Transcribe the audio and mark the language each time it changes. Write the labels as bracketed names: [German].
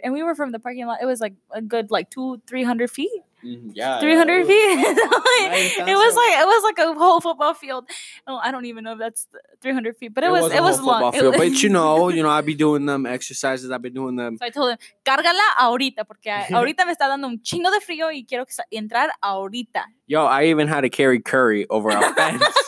[English] And we were from the parking lot. It was like a good like 200-300 feet. Yeah, 300 feet. it was like a whole football field. Oh, I don't even know if that's 300 feet, but it was a long field. But you know, I'd be doing them exercises. I've been doing them. So I told him, [Spanish] cárgala ahorita, porque ahorita me está dando un chingo de frío y quiero entrar ahorita. [English] Yo, I even had to carry Curry over our fence.